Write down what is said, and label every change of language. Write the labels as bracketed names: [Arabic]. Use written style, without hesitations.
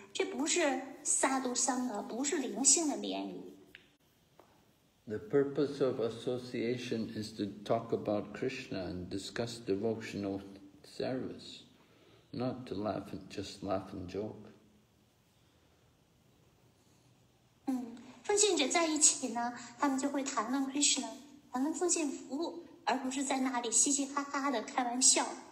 [Chinese] 这不是萨度桑格，不是灵性的联谊。 [English] The purpose of association is to talk about Krishna and discuss devotional service, not to laugh and just laugh and joke. [Chinese] 奉献者在一起呢，他们就会谈论 Krishna， 谈论奉献服务，而不是在那里嘻嘻哈哈的开玩笑。